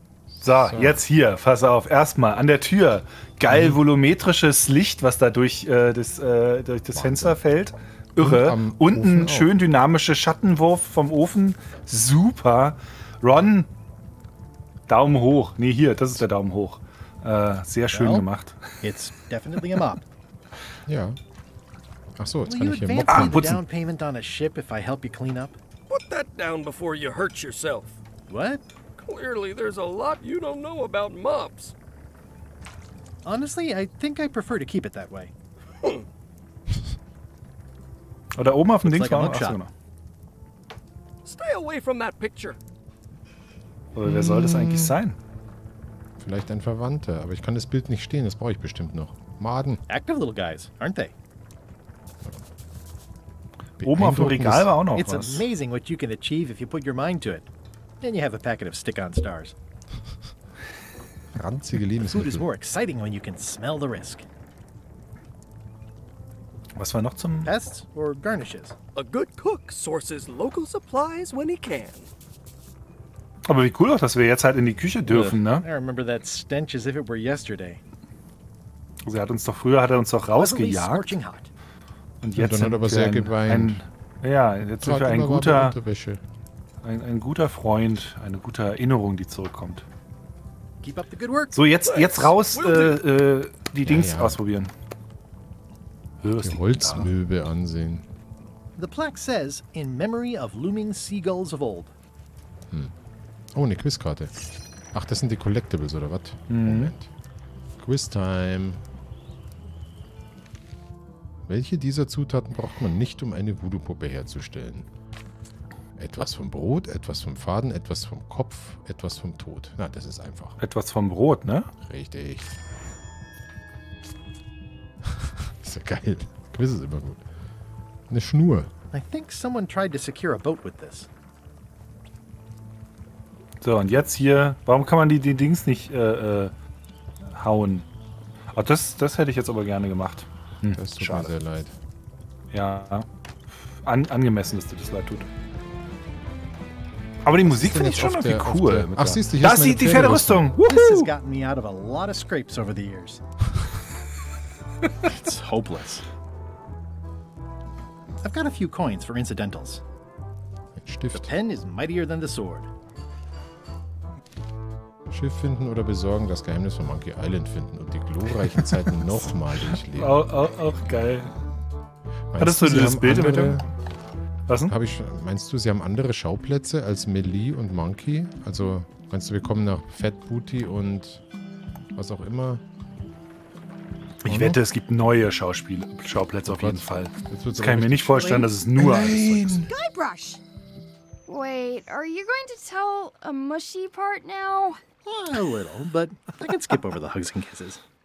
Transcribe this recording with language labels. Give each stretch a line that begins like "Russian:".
German: So, jetzt hier, pass auf, erstmal an der Tür, geil volumetrisches Licht, was da durch das Fenster fällt, irre, unten schön dynamische Schattenwurf vom Ofen, super, Ron, Daumen hoch, nee, hier, das ist der Daumen hoch, sehr schön gemacht.
English: It's definitely a mop.
German: Ja, ach so, jetzt kann ich hier mopfen.
English: Will you advance me the down payment on a ship if I help you clean up? Put that down before you hurt yourself. What? Clearly, there's a lot you don't know about mops. Honestly, I think I prefer to keep it that way.
German: Oh, da oben auf dem Dings war noch was.
English: Stay away from that picture.
German: Oder wer soll das eigentlich sein? Vielleicht ein Verwandter, aber ich kann das Bild nicht stehen, das brauche ich bestimmt noch. Maden.
English: Active little guys, aren't they?
German: Oben auf dem Regal war auch noch
English: It's
German: was.
English: It's amazing what you can achieve if you put your mind to it. Then you have a packet of stick-on stars.
German: Ranzige Lebensmittel.
English: Food is more exciting when you can smell the risk.
German: Was war noch zum...
English: Pests or garnishes? A good cook sources local supplies when he can.
German: Aber wie cool auch, dass wir jetzt halt in die Küche dürfen, ne?
English: I remember that stench as if it were yesterday.
German: Sie hat uns doch früher, hat er uns doch rausgejagt. Und jetzt und dann sind hat aber sehr geweint. Ja, jetzt sind wir ein guter... Ein guter Freund, eine gute Erinnerung, die zurückkommt.
English: Keep up the good work.
German: So, jetzt raus, die Dings ausprobieren. Die Holzmöbe ansehen.
English: The plaque says, in memory of looming seagulls of old.
German: Oh, eine Quizkarte. Ach, das sind die Collectibles, oder was? Moment. Quiz-Time. Welche dieser Zutaten braucht man nicht, um eine Voodoo-Puppe herzustellen? Etwas vom Brot, etwas vom Faden, etwas vom Kopf, etwas vom Tod. Na, das ist einfach. Etwas vom Brot, ne? Richtig. Ist ja geil. Quiz ist immer gut. Eine Schnur.
English: I think someone tried to secure a boat with this.
German: So, und jetzt hier, warum kann man die Dings nicht hauen? Oh, das hätte ich jetzt aber gerne gemacht. Das tut Schade. Mir sehr leid. Ja, angemessen, dass dir das leid tut. Aber die Musik finde ich schon irgendwie cool. Ach, siehst du, hier ist die Pferderüstung.
English: This has gotten me out of a lot of scrapes over the years. It's hopeless. I've got a few coins for incidentals.
German: Stift.
English: The pen is mightier than the sword.
German: Schiff finden oder besorgen, das Geheimnis von Monkey Island finden und die glorreichen Zeiten nochmal durchleben. Auch geil. Hattest du dieses Bild mit dem? Was? Hab ich, meinst du, sie haben andere Schauplätze als Millie und Monkey? Also, meinst du, wir kommen nach Fat Booty und was auch immer? Ich wette, es gibt neue Schauplätze auf jeden Fall. Das kann ich mir nicht vorstellen, dass es nur alles ist.
English: Guybrush! Wait, are you going to tell a mushy part now? A little, but I can skip over the hugs and kisses.